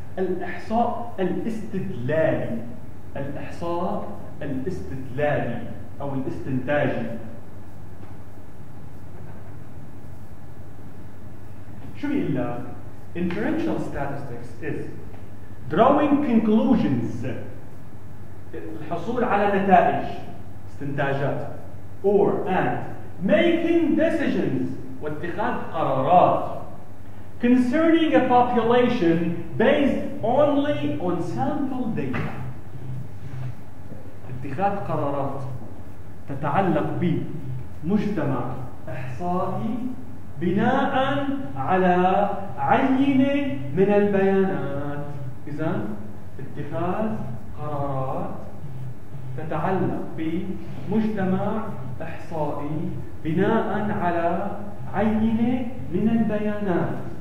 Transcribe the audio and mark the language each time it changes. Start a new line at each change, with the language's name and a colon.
Arabic: الإحصاء الاستدلالي. الإحصاء الاستدلالي أو الاستنتاجي شو بيقول لك؟
English: Inferential statistics is drawing conclusions
Arabic: الحصول على نتائج استنتاجات
English: or and making decisions
Arabic: واتخاذ قرارات
English: concerning a population based only on sample data.
Arabic: اتخاذ قرارات تتعلق بمجتمع احصائي بناء على عينه من البيانات. اذا اتخاذ قرارات تتعلق بمجتمع احصائي بناء على عينه من البيانات.